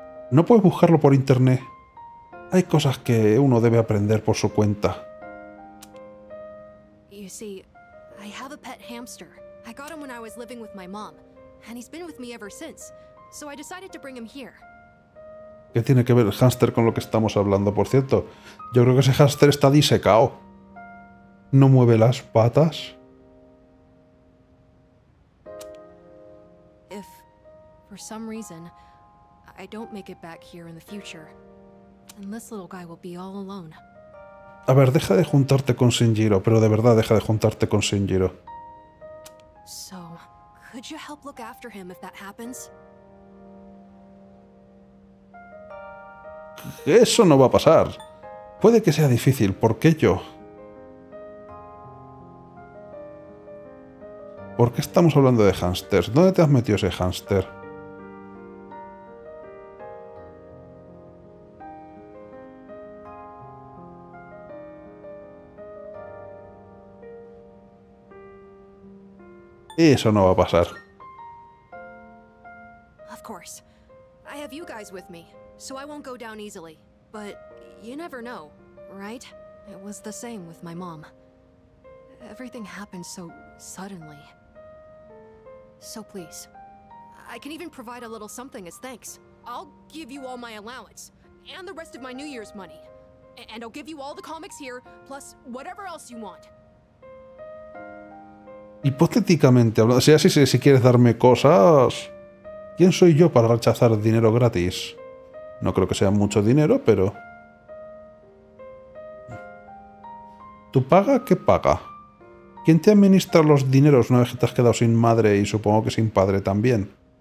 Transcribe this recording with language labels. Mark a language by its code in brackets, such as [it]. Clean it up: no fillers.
[es] No puedes buscarlo por internet. Hay cosas que uno debe aprender por su cuenta. [en] You see, I have a pet hamster. I got him when I was living with my mom, and he's been with me ever since. So I decided to bring him here. [es] ¿Qué tiene que ver el hámster con lo que estamos hablando? Por cierto, yo creo que ese hámster está disecado. No mueve las patas. [en] If for some reason I don't make it back here in the future, then this little guy will be all alone. [es] A ver, deja de juntarte con Shinjiro, pero de verdad deja de juntarte con Shinjiro. [en] So, could you help look after him if that happens? [es] Eso no va a pasar. Puede que sea difícil, ¿por qué yo? ¿Por qué estamos hablando de hámsters? ¿Dónde te has metido ese hámster? Eso no va a pasar. [en] Of course. I have you guys with me. So I won't go down easily. But you never know, right? It was the same with my mom. Everything happened so suddenly. So please. I can even provide a little something as thanks. I'll give you all my allowance and the rest of my New Year's money. And I'll give you all the comics here plus whatever else you want. [es] Hipotéticamente, o sea, si quieres darme cosas, ¿quién soy yo para rechazar dinero gratis? No creo que sea mucho dinero, pero... ¿Tú paga? ¿Qué paga? ¿Quién te administra los dineros una vez que te has quedado sin madre y supongo que sin padre también?